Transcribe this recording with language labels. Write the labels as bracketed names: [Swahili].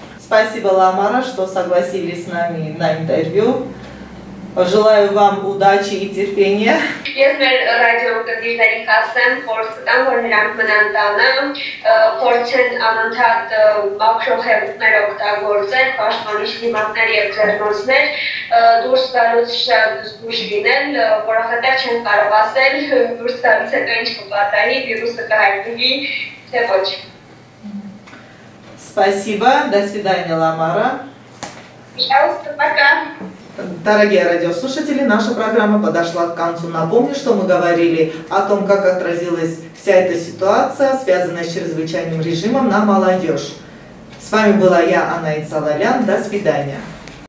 [Russian] Спасибо, Ламара, что согласились с нами на интервью. Желаю вам удачи и терпения. [Armenian] Ես մեր ռադիոկրտիրներին կասեմ, որս կտան, որ նրանք մնան տանը, փորձեն անընդհատ մաքրող հեղուկներ օգտագործել, պաշտպանիչ դիմակներ և ձեռնոցներ, դուրս գալուց շատ զգույշ լինել, որովհետև չեն կարող ասել, դուրս գալուց հետո ինչ կպատանի, վիրուսը կհայտնվի, թե ոչ։ [Russian] Спасибо, до свидания, Ламара. Пожалуйста, пока. Дорогие радиослушатели, наша программа подошла к концу. Напомню, что мы говорили о том, как отразилась вся эта ситуация, связанная с чрезвычайным режимом, на молодежь. С вами была я, Анна Ицалалян. До свидания.